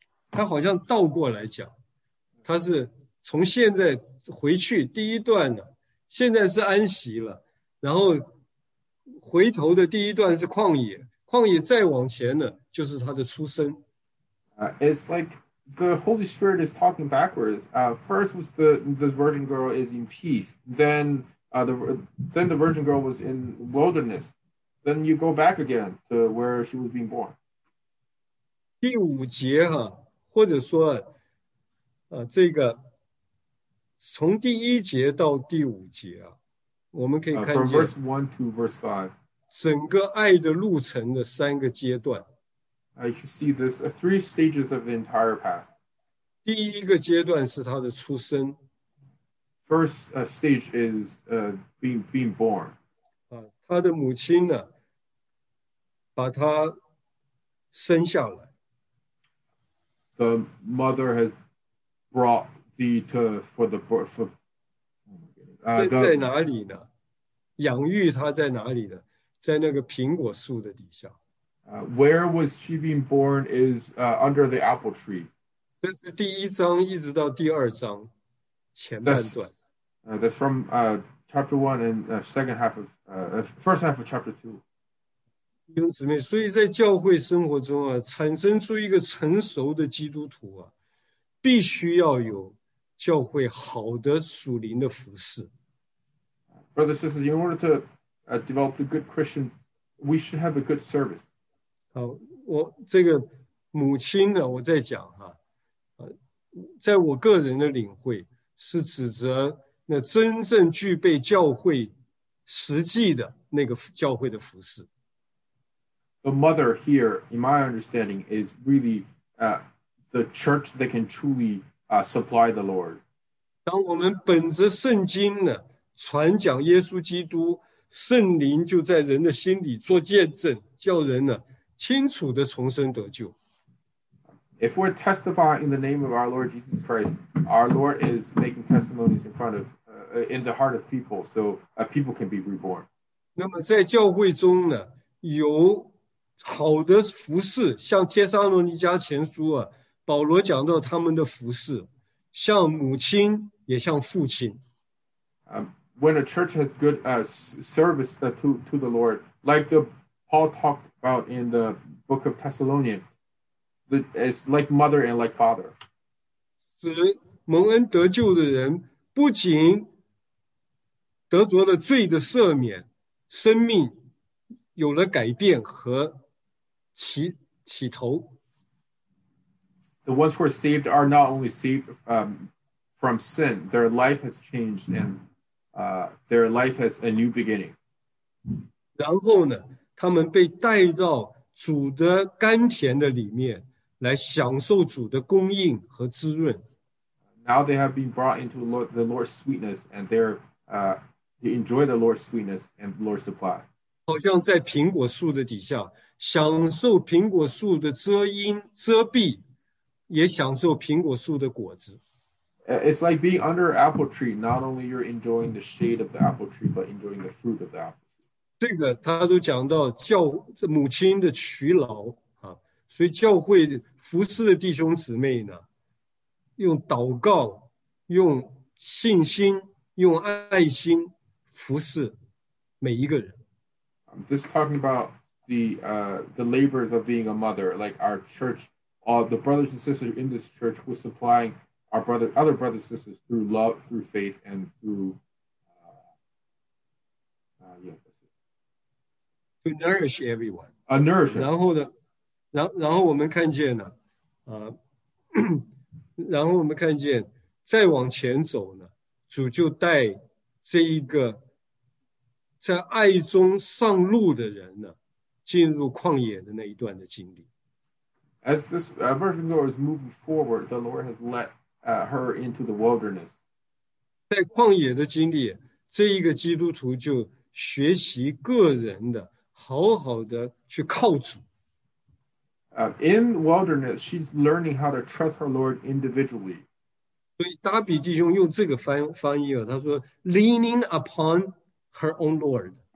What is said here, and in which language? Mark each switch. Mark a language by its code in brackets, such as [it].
[zh] 他好像倒过来讲，他是从现在回去第一段呢，现在是安息了，然后回头的第一段是旷野，旷野再往前呢，就是他的出生。 [en] It's like the Holy Spirit is talking backwards. First was this virgin girl is in peace. Then the virgin girl was in wilderness. Then you go back again to where she was being born. [zh] 第五节哈，或者说，这个从第一节到第五节啊，我们可以看见 [en] from verse 1 to verse 5, [zh] 整个爱的路程的三个阶段。 [en] I can see this three stages of the entire path. [zh] 第一个阶段是他的出生。 [en] First stage is being born. [zh] 他的母亲呢，把他生下来。 [en] The mother has brought thee to for the birth. For, [zh] 在哪里呢？养育他在哪里呢？在那个苹果树的底下。 [en] Where was she being born is under the apple tree. [zh] 这是第一章一直到第二章前半段。 [en] That's from chapter 1 and second half of, first half of chapter 2. [zh] 弟兄姊妹，所以在教会生活中啊，产生出一个成熟的基督徒啊，必须要有教会好的属灵的服事。 [en] Brothers and sisters, in order to develop a good Christian, we should have a good service. [zh] 我这个母亲呢，我在讲哈，在我个人的领会是指责那真正具备教会实际的那个教会的服事。 [en] The mother here, in my understanding, is really the church that can truly supply the Lord. [zh] 当我们本着圣经呢，传讲耶稣基督，圣灵就在人的心里做见证，叫人呢。清楚地重生得救。 [en] If we're testifying in the name of our Lord Jesus Christ, our Lord is making testimonies in front of, in the heart of people, so people can be reborn. [zh] 那么在教会中呢，有好的服事，像帖撒罗尼迦前书啊，保罗讲到他们的服事，像母亲也像父亲。 [en] When a church has good service to the Lord, like the Paul talked. About in the book of Thessalonians, it's like mother and like father. [zh] 使蒙恩得救的人不仅得着了罪的赦免，生命有了改变和起头。 [en] The ones who are saved are not only saved from sin; their life has changed, and their life has a new beginning. [zh] 然后呢？他们被带到主的甘甜的里面来享受主的供应和滋润。 [en] Now they have been brought into the Lord's sweetness and they're, they enjoy the Lord's sweetness and Lord's supply. [zh] 好像在苹果树的底下享受苹果树的遮阴遮蔽，也享受苹果树的果子。 [en] It's like being under an apple tree. Not only you're enjoying the shade of the apple tree, but enjoying the fruit of the apple. [zh] 这个他都讲到教母亲的娶劳啊，所以教会服侍的弟兄姊妹呢，用祷告、用信心、用爱心服侍每一个人。 [en] This talking about the labors of being a mother, like our church, all the brothers and sisters in this church were supplying our brother, other brothers and sisters through love, through faith, and through To nourish everyone. Nourish. [zh] 然后呢，然后我们看见呢，然后我们看见再往前走呢，主就带这一个在爱中上路的人呢，进入旷野的那一段的经历。 [en] As this virgin girl is moving forward, the Lord has led her into the wilderness. [zh] 在旷野的经历，这一个基督徒就学习个人的。好好的去靠主。 [en] In wilderness, she's learning how to trust her Lord individually. [zh] 所以达比弟兄用这个翻译啊，他说 [en] leaning upon her own Lord.